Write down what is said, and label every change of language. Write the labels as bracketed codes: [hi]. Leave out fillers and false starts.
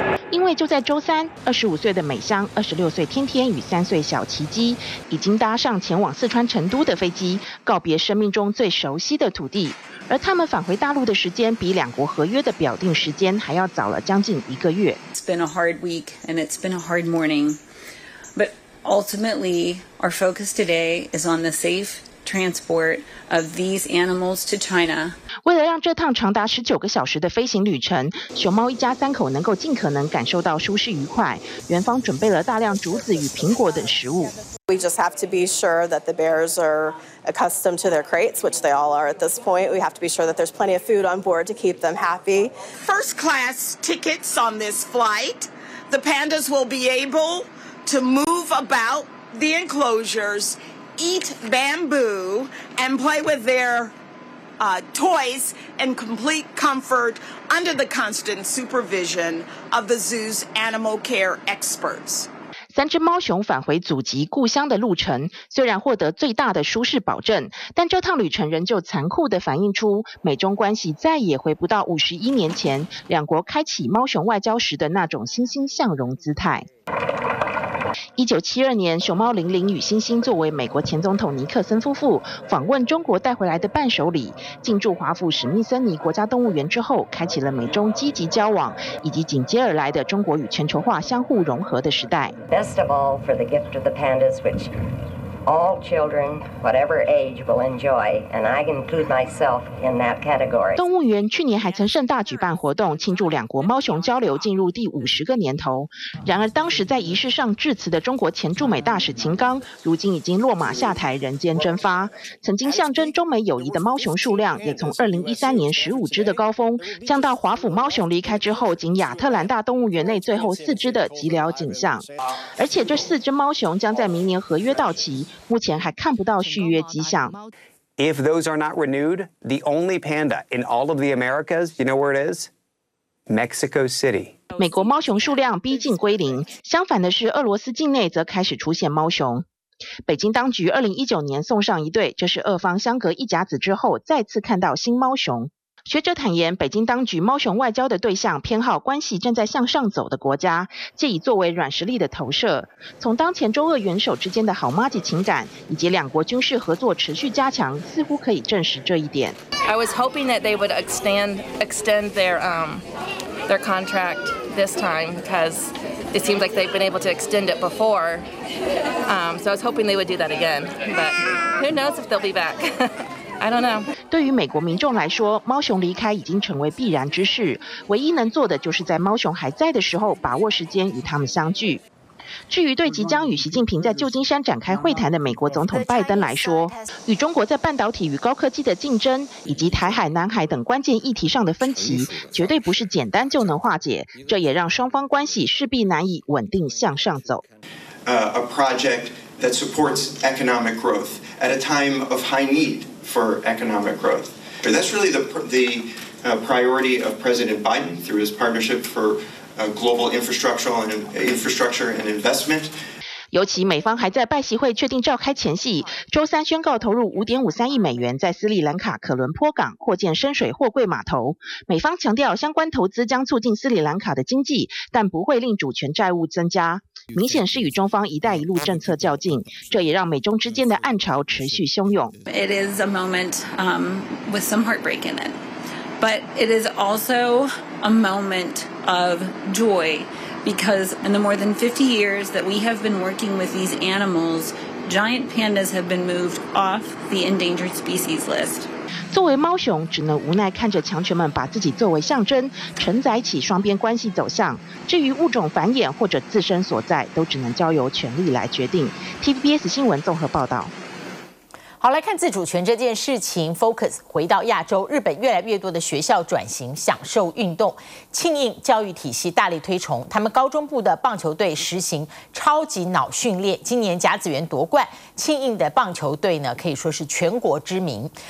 [zh] 因为就在周三，25岁的美香、26岁天天与3岁小奇迹已经搭上前往四川成都的飞机，告别生命中最熟悉的土地。而他们返回大陆的时间比两国合约的表定时间还要早了将近一个月。 [en] It's been a hard week and it's been a hard morning, but ultimately our focus today is on the safe transport of these animals to China. [zh] 为了让这趟长达19个小时的飞行旅程，熊猫一家三口能够尽可能感受到舒适愉快，园方准备了大量竹子与苹果等食物。 [en] We just have to be sure that the bears are accustomed to their crates, which they all are at this point. We have to be sure that there's plenty of food on board to keep them happy. First class tickets on this flight. The pandas will be able to move about the enclosures, eat bamboo, and play with their toys in complete comfort under the constant supervision of the zoo's animal care experts. [zh] 三只猫熊返回祖籍故乡的路程，虽然获得最大的舒适保证，但这趟旅程仍旧残酷地反映出美中关系再也回不到51年前两国开启猫熊外交时的那种欣欣向荣姿态。 1972年，熊猫玲玲与欣欣作为美国前总统尼克森夫妇访问中国带回来的伴手礼，进驻华府史密森尼国家动物园之后，开启了美中积极交往，以及紧接而来的中国与全球化相互融合的时代。 [en] Best of all for the gift of the pandas, which all children, whatever age, will enjoy, and I include myself in that category. [zh] 动物园去年还曾盛大举办活动，庆祝两国猫熊交流进入第50个年头。然而，当时在仪式上致辞的中国前驻美大使秦刚，如今已经落马下台，人间蒸发。曾经象征中美友谊的猫熊数量，也从2013年15只的高峰，降到华府猫熊离开之后，仅亚特兰大动物园内最后4只的寂寥景象。而且，这4只猫熊将在明年合约到期。目前还看不到续约迹象。 [en] If those are not renewed, the only panda in all of the Americas, you know where it is? Mexico City. [zh] 美国猫熊数量逼近归零，相反的是，俄罗斯境内则开始出现猫熊。北京当局2019年送上一对，这是俄方相隔一甲子之后再次看到新猫熊。学者坦言，北京当局猫熊外交的对象偏好关系正在向上走的国家，借以作为软实力的投射。从当前中俄元首之间的好妈吉情感，以及两国军事合作持续加强，似乎可以证实这一点。 [en] I was hoping that they would extend their contract this time, because it seems like they've been able to extend it before. So I was hoping they would do that again, but who knows if they'll be back. I don't know. [zh] 对于美国民众来说，猫熊离开已经成为必然之事，唯一能做的就是在猫熊还在的时候把握时间与他们相聚。至于对即将与习近平在旧金山展开会谈的美国总统拜登来说，与中国在半导体与高科技的竞争，以及台海、南海等关键议题上的分歧，绝对不是简单就能化解，这也让双方关系势必难以稳定向上走。 [en] A project that supports economic growth at a time of high needfor economic growth. That's really the priority of President Biden through his partnership for global infrastructure and investment. [zh] 尤其美方还在拜习会确定召开前夕，周三宣告投入$5.53亿在斯里兰卡可伦坡港扩建深水货柜码头。美方强调，相关投资将促进斯里兰卡的经济，但不会令主权债务增加，明显是与中方“一带一路”政策较劲。这也让美中之间的暗潮持续汹涌。 [en] It is a moment with some heartbreak in it, but it is also a moment of joy. Because in the more than 50 years that we have been working with these animals, giant pandas have been moved off the endangered species list. [zh] 作为猫熊，只能无奈看着强权们把自己作为象征，承载起双边关系走向。至于物种繁衍或者自身所在，都只能交由权力来决定。TVBS 新闻综合报道。好，来看自主权这件事情 ，Focus 回到亚洲，日本越来越多的学校转型享受运动，庆应教育体系大力推崇，他们高中部的棒球队实行超级脑训练，今年甲子园夺冠，庆应的棒球队呢可以说是全国知名，